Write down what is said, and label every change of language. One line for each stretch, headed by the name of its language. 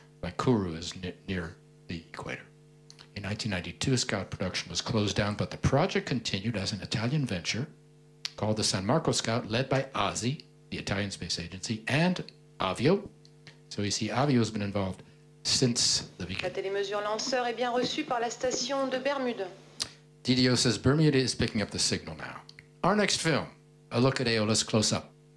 English: Like Kourou is near the equator. In 1992, Scout production was closed down, but the project continued as an Italian venture called the San Marco Scout, led by ASI, the Italian Space Agency, and Avio. So you see, Avio has been involved since the beginning.
French: La télémesure lanceur est bien reçue par la station de Bermude.
English: DDO says Bermuda is picking up the signal now. Our next film, a look at Aeolus close up.